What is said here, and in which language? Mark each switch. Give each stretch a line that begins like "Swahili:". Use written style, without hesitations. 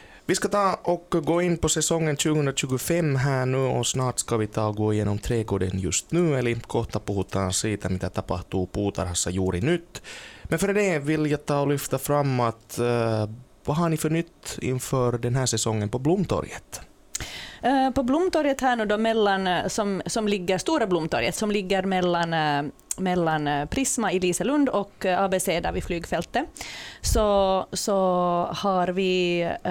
Swedish: Vi ska ta och gå in på säsongen 2025 här nu och snart ska vi ta och gå igenom trädgården just nu.
Finnish: Eli kohta puhutaan siitä, mitä tapahtuu puutarhassa juuri nyt.
Swedish: Men för det vill jag ta och lyfta fram att vad har ni för nytt inför den här säsongen på Blomtorget? På Blomtorget här nu då mellan, som ligger, Stora Blomtorget, som ligger mellan Prisma i Liselund och ABC där vid flygfältet, så har vi